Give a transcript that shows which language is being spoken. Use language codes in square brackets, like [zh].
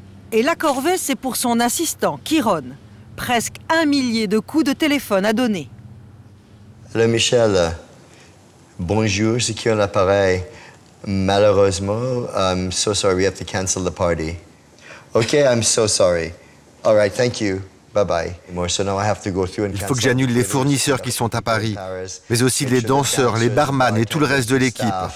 [fr] Et la corvée, c'est pour son assistant, Kiron. Presque un millier de coups de téléphone à donner. Allô, Michel. Bonjour, c'est Kiron l'appareil. Malheureusement, [en] I'm so sorry, we have to cancel the party. OK, I'm so sorry. All right, thank you. Bye-bye. [fr] Il faut que j'annule les fournisseurs qui sont à Paris, mais aussi les danseurs, les barman et tout le reste de l'équipe.